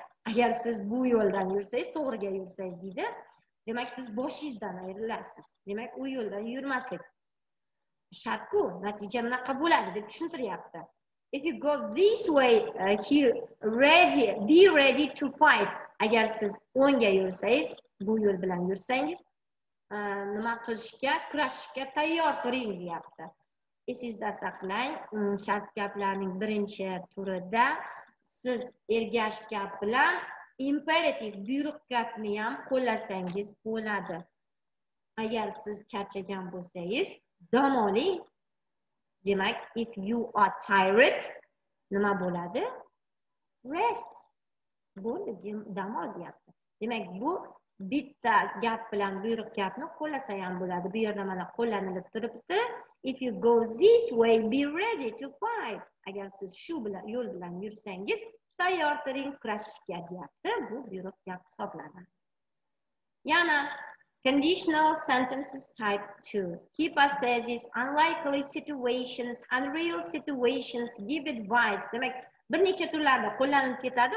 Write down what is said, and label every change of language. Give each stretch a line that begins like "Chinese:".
Uzbek: Agar siz bu yo'ldan yursangiz, to'g'riga yursangiz dedi. Demak, siz boshingizdan ayrilasiz. Demak, u yo'ldan yurmaslik. Shartku, natija bunaqa bo'ladi deb tushuntiryapti.
English: If you go this way, here, ready, be ready to fight.
Uzbek: Agar siz o'ngga yursangiz, bu yo'l bilan yursangiz, nima qilishga, kurashishga tayyor turing deyapti. Esizda saqlang, shart gaplarning birinchi turida siz ergash gap bilan imperativ buyruq gapni ham qo'llasangiz bo'ladi. Agar siz charchagan bo'lsangiz, dam oling. Demak,
English: if you are tired,
Uzbek: nima bo'ladi?
English: Rest.
Uzbek: Bo'ldi, dam ol deyapti. Demak, bu bitta gap bilan buyruq gapni qo'llasa ham bo'ladi. Bu yerda mana qo'llanilib turibdi.
English: If you go this way, be ready to fight.
Uzbek: Agar siz shu bilan yo'l bilan yursangiz, tayyor turing kurashishga deyapti. Bu buyruq gap hisoblanadi. Yana conditional sentences type 2.
English: Kipa says unlikely situations, unreal situations, give advice.
Uzbek: Demak, bir necha turlarda qo'llanib ketadi.